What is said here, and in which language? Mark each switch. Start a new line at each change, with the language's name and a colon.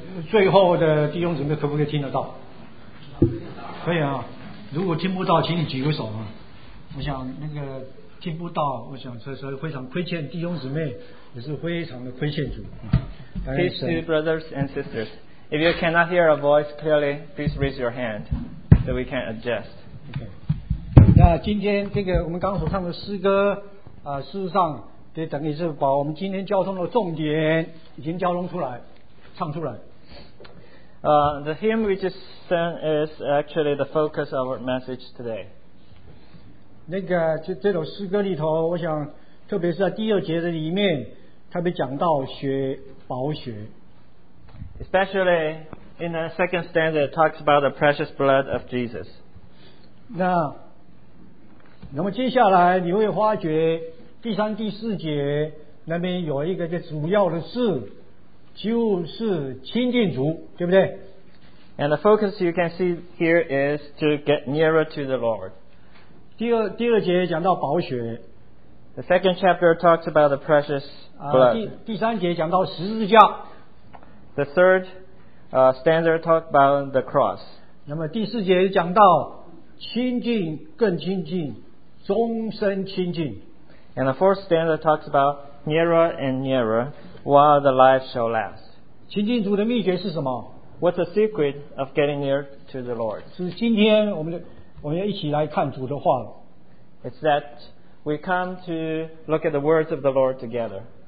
Chinese: 最后的弟兄姊妹可不可以听得到？可以啊，如果听不到请你举个手啊。我想那个听不到，我想这是非常亏欠弟兄姊妹，也是非常的亏欠主。
English: Peace to brothers and sisters. If you cannot hear a voice clearly, please raise your hand so we can adjust. Okay.
Chinese: 那今天这个我们刚所唱的诗歌啊，事实上得等于是把我们今天交通的重点已经交通出来，唱出来。
English: The hymn we just sang is actually the focus of our message today.
Chinese: 那个这首诗歌里头，我想特别是在第二节的里面，特别讲到雪宝血。
English: Especially in the second stanza, it talks about the precious blood of Jesus.
Chinese: 那么接下来你会发觉。第三、第四节那边有一个主要的事，就是亲近主，对不对？
English: And the focus you can see here is to get nearer to the Lord.
Chinese: 第二节讲到宝血。
English: The second chapter talks about the precious blood.
Chinese: 第三节讲到十字架。
English: The third stanza talks about the cross.
Chinese: 那么第四节讲到亲近、更亲近、终身亲近。
English: And the fourth stanza talks about nearer and nearer while the life shall last.
Chinese: 亲近主的秘诀是什么？
English: What's the secret of getting near to the Lord?
Chinese: 是今天我们要一起来看主的话。
English: It's that we come to look at the words of the Lord together.